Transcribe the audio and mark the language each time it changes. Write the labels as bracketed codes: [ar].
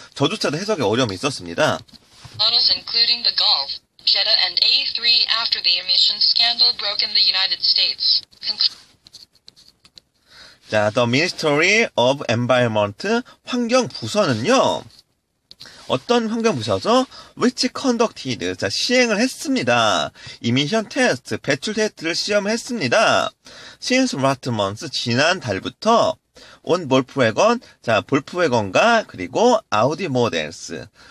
[ko] 저조차도 해석에 어려움이 있었습니다. [en] Models including the Golf, Jetta, and A3 after the emission scandal broke in the United States. [ko] 자, The Ministry of Environment 환경부서는요, 어떤 환경부서죠? [en] Which conducted, [ko] 자, 시행을 했습니다. [en] Emission test, [ko] 배출 테스트를 시험했습니다. [en] Since last month, [ko] 지난 달부터, on 볼프웨건, 자, 볼프웨건과, 그리고 아우디 모델스.